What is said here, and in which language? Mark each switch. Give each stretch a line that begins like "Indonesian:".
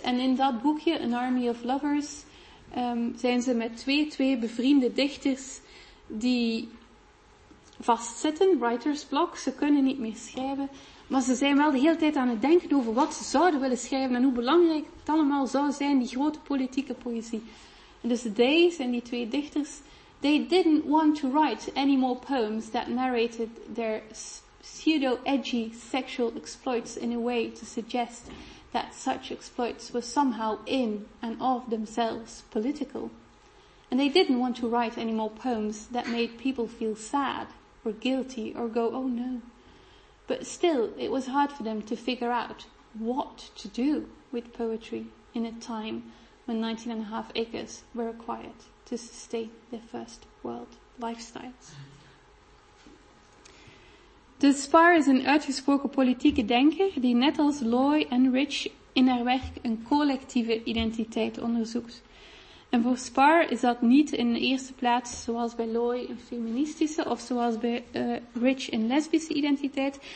Dutch: En in dat boekje, An Army of Lovers, zijn ze met twee bevriende dichters die vastzitten, writer's block. Ze kunnen niet meer schrijven, maar ze zijn wel de hele tijd aan het denken over wat ze zouden willen schrijven en hoe belangrijk het allemaal zou zijn, die grote politieke poëzie. En dus they zijn die twee dichters.
English: They didn't want to write any more poems that narrated their pseudo-edgy sexual exploits in a way to suggest that such exploits were somehow in and of themselves political. And they didn't want to write any more poems that made people feel sad or guilty or go, oh no. But still, it was hard for them to figure out what to do with poetry in a time when 19.5 acres were required to sustain their first world lifestyles.
Dutch: Dus Spaar is een uitgesproken politieke denker die net als Loy en Rich in haar werk een collectieve identiteit onderzoekt. En voor Spaar is dat niet in de eerste plaats, zoals bij Loy, een feministische of zoals bij Rich een lesbische identiteit.